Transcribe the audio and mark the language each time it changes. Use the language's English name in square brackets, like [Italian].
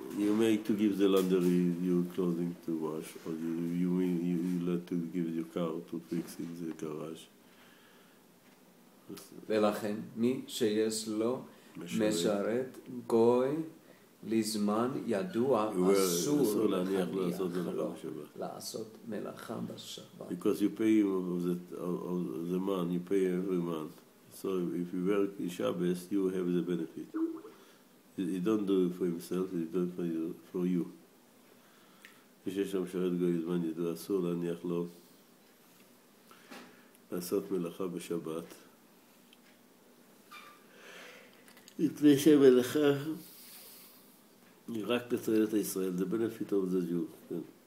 [English] You may to give the laundry your clothing to wash, or you mean you let to give your car to fix in the garage. [Hebrew] ולכן מי שיש לו משרת גוי לזמן ידוע אסור להניח לעשות מלאכה בשבת. [English] Because you pay him of the man, you pay every man. So if you work in Shabbos, you have the benefit. He don't do it for himself, he do it for you. [Hebrew] כשיש לו משרת גוי לזמן ידוע אסור להניח לו לעשות מלאכה בשבת. מפני שהמלאכה היא רק לתועלת ישראל, [English] the benefit of the Jew, [Hebrew] כן.